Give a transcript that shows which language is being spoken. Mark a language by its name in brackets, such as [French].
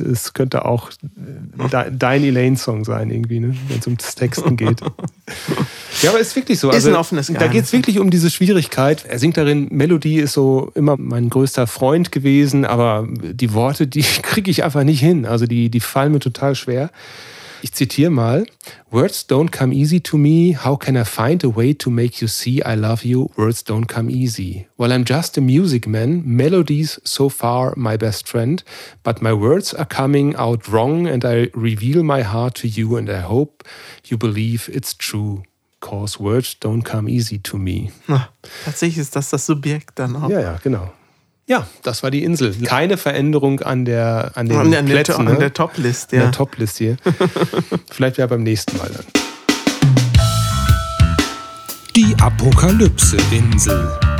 [German] Es könnte auch dein Elaine-Song sein, irgendwie, ne? Wenn es ums Texten geht. Ja, aber es ist wirklich so. Also, ist ein offenes Geheimnis. Da geht es wirklich um diese Schwierigkeit. Er singt darin, Melodie ist so immer mein größter Freund gewesen, aber die Worte, die kriege ich einfach nicht hin. Also die fallen mir total schwer. Ich zitiere mal, [English] Words don't come easy to me, how can I find a way to make you see I love you, words don't come easy. Well, I'm just a music man, melodies so far my best friend, but my words are coming out wrong and I reveal my heart to you and I hope you believe it's true, cause words don't come easy to me. [German] Na, tatsächlich ist das Subjekt dann auch. Ja, genau. Ja, das war die Insel. Keine Veränderung an den Plätzen. An der Top-List, ja. An der Top-List hier. Vielleicht ja beim nächsten Mal dann. Die Apokalypse-Insel.